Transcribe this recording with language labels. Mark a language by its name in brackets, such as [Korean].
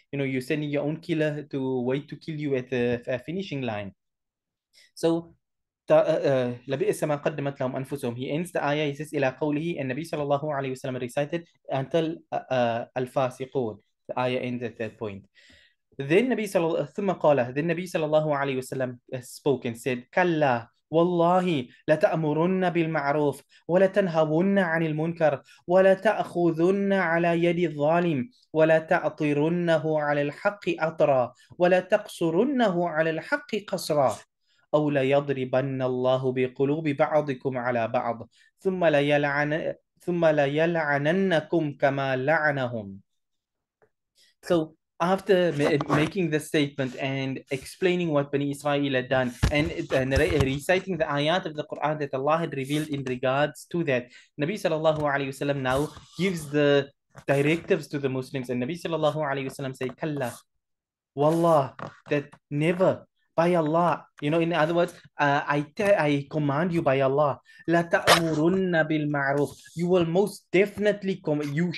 [English] You know, you're sending your own killer to wait to kill you at the finishing line. [Arabic] So, لَبِئْسَ مَا قَدَّمَتْ لَهُمْ أَنفُسُهُمْ. [English] He ends the ayah, he says, [Arabic] إِلَىٰ قَوْلِهِ. [English] And Nabi sallallahu alayhi wa sallam recited until الفاسقون. The ayah ends at that point. Then Nabi sallallahu alayhi wa sallam spoke and said, [Arabic] كَلَّا والله لتأمرن بالمعروف ولتنهون عن المنكر ولتأخذن على يد الظالم ولتأطرنه على الحق أطرا ولتقصرنه على الحق قصرا أو ليضربن الله بقلوب بعضكم على بعض ثم ليلعننكم كما لعنهم. [English] So after making this statement and explaining what Bani Israel had done and reciting the ayat of the Quran that Allah had revealed in regards to that, Nabi sallallahu alayhi wasallam now gives the directives to the Muslims, and Nabi sallallahu alayhi wasallam say, [Arabic] Kalla, Wallah, [English] that never, by Allah, you know, in other words, I command you by Allah, [Arabic] la ta'murunna bil ma'ruf, [English] you will most definitely command